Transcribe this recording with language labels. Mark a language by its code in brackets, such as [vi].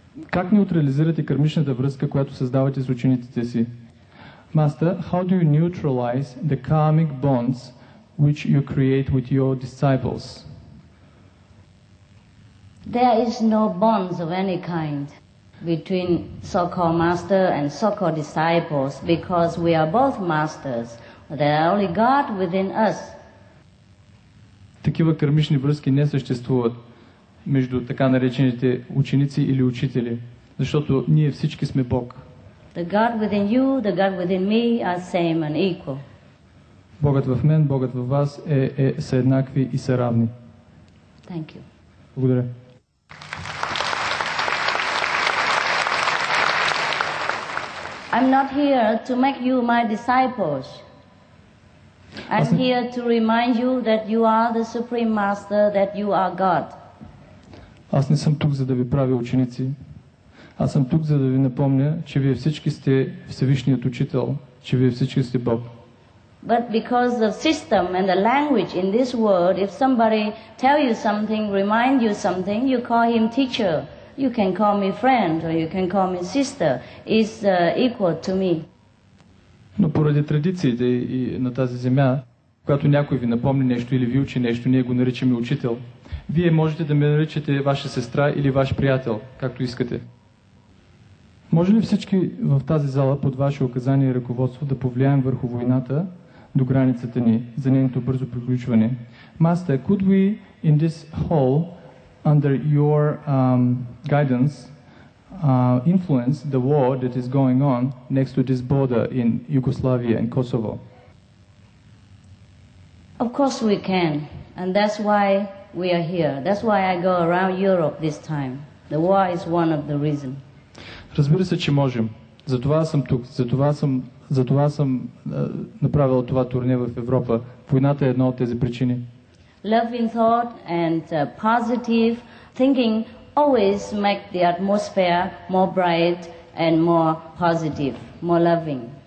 [bg] Как неутрализирате кармичната връзка, която създавате с учениците си? [en] Master, how do you neutralize the karmic bonds which you create with your disciples? There is no bonds of any kind between so-called master and so-called disciples because we are both masters. There are only God within us. [bg] Такива кармични връзки не съществуват между така наречените ученици или учители, защото ние всички сме Бог. [en] The God within you, the God within me are same and equal. [bg] Богът в мен, Богът в вас е са еднакви и са равни. [en] Thank you. [bg] Благодаря. [en] I'm not here to make you my disciples. I'm here to remind you that you are the Supreme Master, that you are God. [bg] Аз не съм тук, за да ви правя ученици. Аз съм тук, за да ви напомня, че вие всички сте Всевишният Учител, че вие всички сте Бог. [en] But because the system and the language in this world, if somebody tell you something, remind you something, you call him teacher. You can call me friend or you can call me sister. It's equal to me. [bg] Но поради традициите и на тази земя, когато някой ви напомни нещо или ви учи нещо, ние го наричаме учител. Вие можете да ме наричате ваша сестра или ваш приятел, както искате. Може ли всички в тази зала под ваше указание и ръководство да повлияем върху войната до границата ни за нейното бързо приключване? [en] Master, could we in this hall under your guidance influence the war that is going on next to this border in Yugoslavia and Kosovo? Of course we can, and that's why we are here. That's why I go around Europe this time. The war is one of the reasons. [bg] Разбира се, че можем. Затова съм тук. Затова съм направил това турне в Европа. Войната е една от тези причини. [en] Loving thought and positive thinking always make the atmosphere more bright and more positive, more loving.